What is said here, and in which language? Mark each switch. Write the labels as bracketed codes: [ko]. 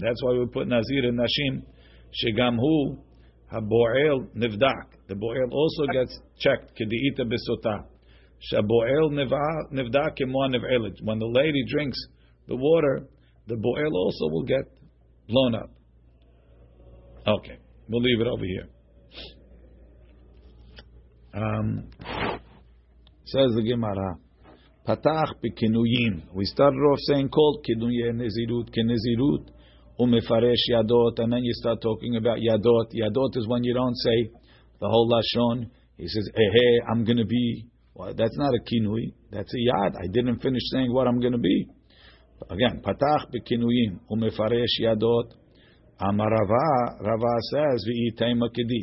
[en] That's why we put נזיר in נשים, [he] שגם הוא הבועל נבדק. [en] The בועל also gets checked, [he] כדאיתה בסוטה. שהבועל נבדק כמו הנבעלת. [en] When the lady drinks the water, the בועל also will get blown up. Okay, we'll leave it over here. Says the Gemara, [he] פתח בכינויים. [en] We started off saying called [he] כינויי נזירות כנזירות ומפרש ידות, [en] and then you start talking about ידות. ידות is when you don't say the whole lashon. He says, hey, I'm going to be. Well, that's not a כינוי. That's a יד. I didn't finish saying what I'm going to be. Again, [he] פתח בכינויים ומפרש ידות. אמר רבא, רבא [en] says, [he] ויתאמה כדי.